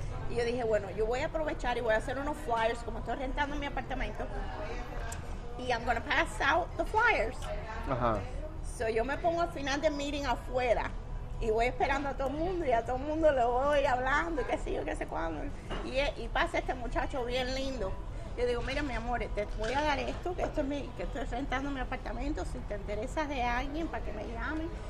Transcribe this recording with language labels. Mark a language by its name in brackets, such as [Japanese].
[Spanish] Y yo dije, bueno, yo voy a aprovechar y voy a hacer unos flyers como estoy rentando mi apartamento. Y [English] I'm going to pass out the flyers. Ajá. [Spanish] So yo me pongo al final del meeting afuera y voy esperando a todo el mundo y a todo el mundo le voy hablando y qué sé yo, qué sé cuándo. Y pasa este muchacho bien lindo. Yo digo, mira, mi amor, te voy a dar esto, que esto es mi, que estoy rentando mi apartamento, si te interesas de alguien para que me llamen.